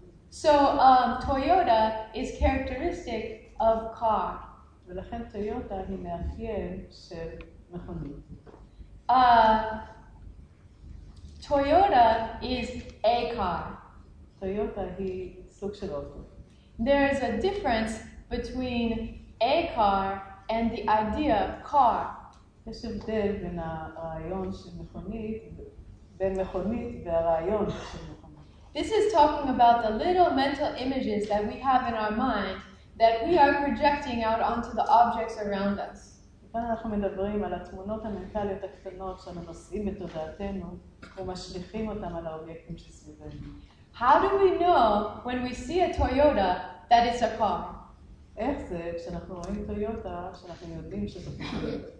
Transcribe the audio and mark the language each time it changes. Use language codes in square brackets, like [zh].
[en] So Toyota is characteristic of car. [he] ולכן טויוטה היא מאפיין של מכונית. [en] Toyota is a car. [he] Toyota היא סוג של אוטו. [en] There is a difference between a car and the idea of car. [he] יש הבדל בין הרעיון של מכונית, בין מכונית והרעיון של מכונית. [en] This is talking about the little mental images that we have in our mind that we are projecting out onto the objects around us. [he] כאן אנחנו מדברים על התמונות המנטליות הקטנות שאנחנו נושאים בתודעתנו ומשליכים אותן על האובייקטים שסביבנו. [en] How do we know when we see a Toyota that it's a car? [he] איך זה כשאנחנו רואים טויוטה שאנחנו יודעים שזה קורה?